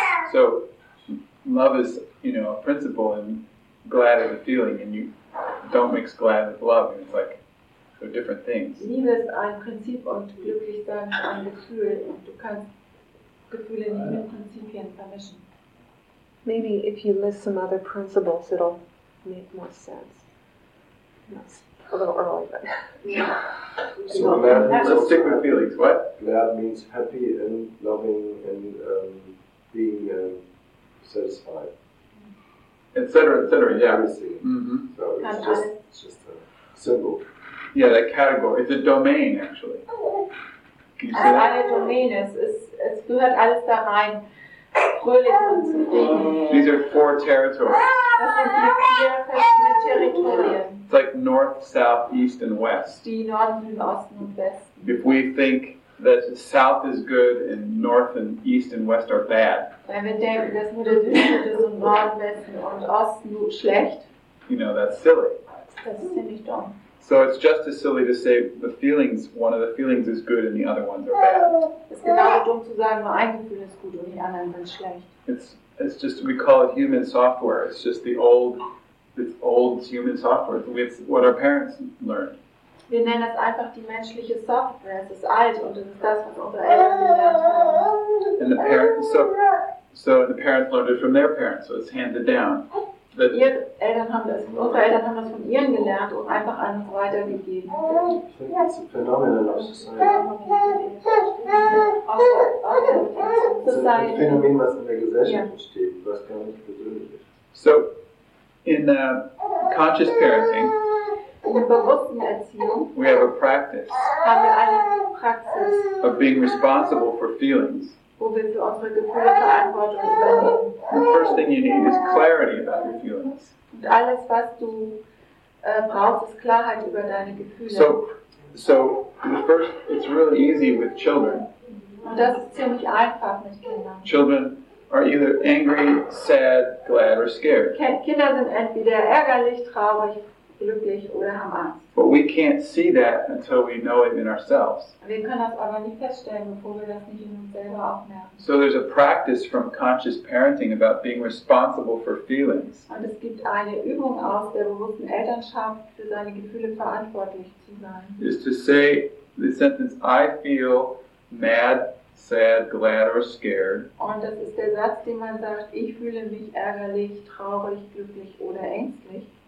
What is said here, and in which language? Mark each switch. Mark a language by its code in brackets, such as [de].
[en] So love is, you know, a principle and glad is a feeling, and you don't mix glad with love, and it's like. So different things. [de] Liebe ist ein Prinzip und glücklich sein ist ein Gefühl. Und du kannst Gefühle nicht mit Prinzipien vermischen. [en] Maybe if you list some other principles, it'll make more sense. That's a little early, but so let's stick with feelings. What? Glad means happy and loving and being satisfied. Etc. Etc. Yeah. Mm-hmm. So it's just a symbol. Yeah, that category. It's a domain, actually. Can you say that? [de] Es gehört alles da rein. Fröhlich und zufrieden. [en] These are four territories. [de] Das sind die vier verschiedenen Territorien. [en] It's like north, south, east, and west. [de] Die Norden, Süden, Osten und Westen. [en] If we think that south is good and north and east and west are bad. [de] Wenn wir denken, dass nur der Süden gut ist und Norden, Westen und Osten schlecht. [en] You know, that's silly. [de] Das ist ziemlich dumm. [en] So it's just as silly to say the feelings, one of the feelings is good and the other ones are bad. [de] Es ist genauso dumm zu sagen, nur ein Gefühl ist gut und die anderen sind schlecht. [en] It's just, we call it human software. It's just the old human software. It's what our parents learned. [de] Wir nennen das einfach die menschliche Software. Es ist alt und es ist das, was unsere Eltern gelernt haben. [en] And the parents, so the parents learned it from their parents, so it's handed down. [de] Unsere Eltern haben das von ihnen gelernt und einfach an uns weitergegeben. Das ist ein Phänomen, was in der Gesellschaft entsteht, was gar nicht persönlich ist. [en] So, in conscious parenting, [de] in der bewussten Erziehung, [en] we have a practice, [de] haben wir eine Praxis, [en] of being responsible for feelings. The first thing you need is clarity about your feelings. [de] Und alles, was du brauchst, ist Klarheit über deine Gefühle. [en] So the first, it's really easy with children. [de] Und das ist ziemlich einfach mit Kindern. [en] Children are either angry, sad, glad, or scared. [de] Kinder sind entweder ärgerlich, traurig, glücklich oder haben Angst. [en] But we can't see that until we know it in ourselves. [de] Wir können das aber nicht feststellen, bevor wir das nicht in uns selber aufmerken. [en] So there's a practice from conscious parenting about being responsible for feelings. [de] Und es gibt eine Übung aus der bewussten Elternschaft, für seine Gefühle verantwortlich zu sein. [en] Is to say the sentence, I feel mad, sad, glad or scared. [de] Und das ist der Satz, den man sagt, ich fühle mich ärgerlich, traurig, glücklich oder ängstlich.